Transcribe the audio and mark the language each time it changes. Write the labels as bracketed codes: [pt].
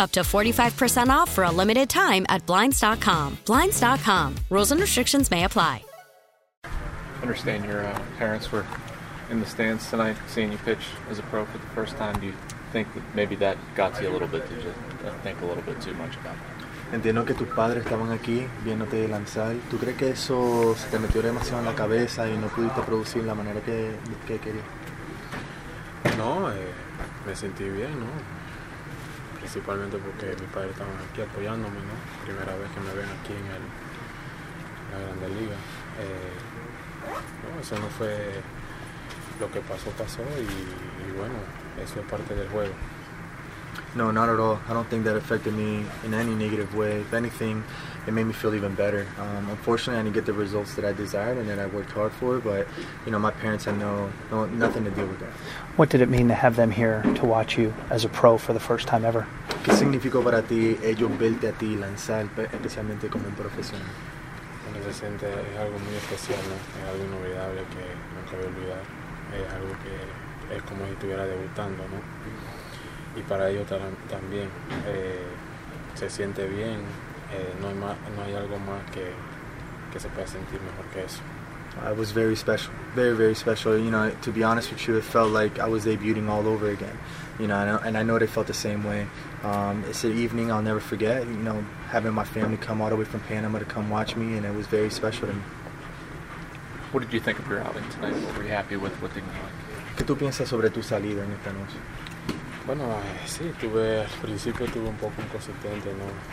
[en] Up to 45% off for a limited time at Blinds.com. Blinds.com. Rules and restrictions may apply. Understand your parents were in the stands tonight, seeing you pitch as a pro for the first time. Do you think that maybe that got to you a little bit? Did you think a little bit too much about that? [es] Entiendo que tus padres estaban aquí viéndote lanzar. ¿Tú crees que eso se te metió demasiado en la cabeza y no pudiste producir la manera que querías? No, me sentí bien, ¿no? Principalmente porque mis padres estaban aquí apoyándome, ¿no? Primera vez que me ven aquí en la Grande Liga. No, eso no fue lo que pasó, pasó, y bueno, eso es parte del juego. [en] No, not at all. I don't think that affected me in any negative way. If anything, it made me feel even better. Unfortunately, I didn't get the results that I desired and that I worked hard for, but, you know, my parents had nothing to deal with that. What did it mean to have them here to watch you as a pro for the first time ever? [es] ¿Qué significó para ti ellos verte a ti lanzar, especialmente como un profesional? Bueno, se siente, es algo muy especial, ¿no? Es algo inolvidable que nunca voy a olvidar. Es algo que es como si estuviera debutando, ¿no? Y para ellos también se siente bien. No hay algo más que se pueda sentir mejor que eso. [en] It was very special, very, very special. You know, to be honest with you, it felt like I was debuting all over again. You know, and I know they felt the same way. It's an evening I'll never forget, you know, having my family come all the way from Panama to come watch me, and it was very special to me. What did you think of your outing tonight? What were you happy with? What didn't you like? [es] ¿Qué tú piensas sobre tu salida en esta noche? Bueno, sí, al principio tuve un poco inconsistente, ¿no?